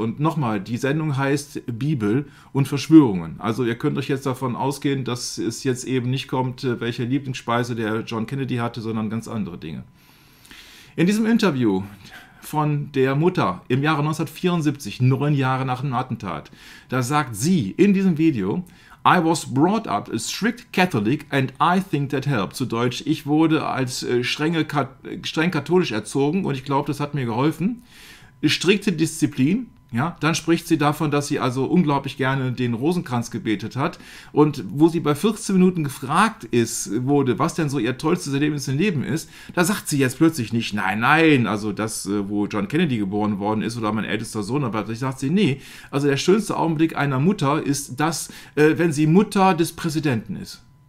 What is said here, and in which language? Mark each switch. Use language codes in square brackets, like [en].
[de] Und nochmal, die Sendung heißt Bibel und Verschwörungen. Also ihr könnt euch jetzt davon ausgehen, dass es jetzt eben nicht kommt, welche Lieblingsspeise der John Kennedy hatte, sondern ganz andere Dinge. In diesem Interview von der Mutter im Jahre 1974, 9 Jahre nach dem Attentat. Da sagt sie in diesem Video, [en] I was brought up a strict Catholic and I think that helped. [de] Zu Deutsch, ich wurde als streng katholisch erzogen und ich glaube, das hat mir geholfen. Strikte Disziplin. Ja, dann spricht sie davon, dass sie also unglaublich gerne den Rosenkranz gebetet hat. Und wo sie bei 14 Minuten gefragt wurde, was denn so ihr tollstes Erlebnis im Leben ist, da sagt sie jetzt plötzlich nicht, nein, also das, wo John Kennedy geboren worden ist oder mein ältester Sohn, aber da sagt sie, nee, also der schönste Augenblick einer Mutter ist das, wenn sie Mutter des Präsidenten ist.